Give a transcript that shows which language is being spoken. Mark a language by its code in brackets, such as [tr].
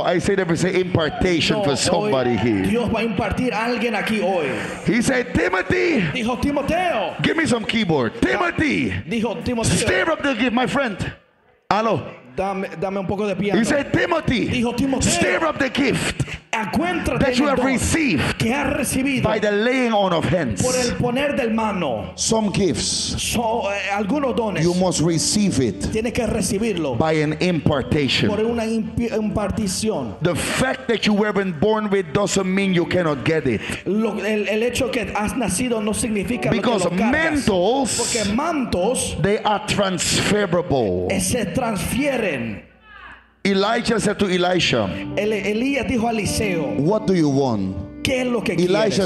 [en] I say there is an impartation for somebody here. [es] Dios va a impartir a alguien aquí hoy. [en] He said, Timothy. [es] Dijo Timoteo. [en] Give me some keyboard, Timothy. [es] Dijo Timoteo. [en] Stir up the gift, my friend. Hello. [es] Dame un poco de piano. [en] He said, Timothy. [es] Dijo Timoteo. [en] Stir up the gift. [es] Acuéntrate [en] that you have received. [es] Que has recibido. [en] By the laying on of hands. [es] Por el poner del mano. [en] Some gifts. [es] So, algunos dones. [en] You must receive it. [es] Tiene que recibirlo. [en] By an impartation. [es] Por una impartición. [en] The fact that you weren't born with doesn't mean you cannot get it. [es] El hecho que has nacido no significa que lo cargas. Mantles, porque mantos, [en] they are transferable. [es] Se transfieren. [en] Elijah said to Elisha, [es] Elías dijo a Eliseo, [en] what do you want? [es] ¿Qué es lo que [en] Elisha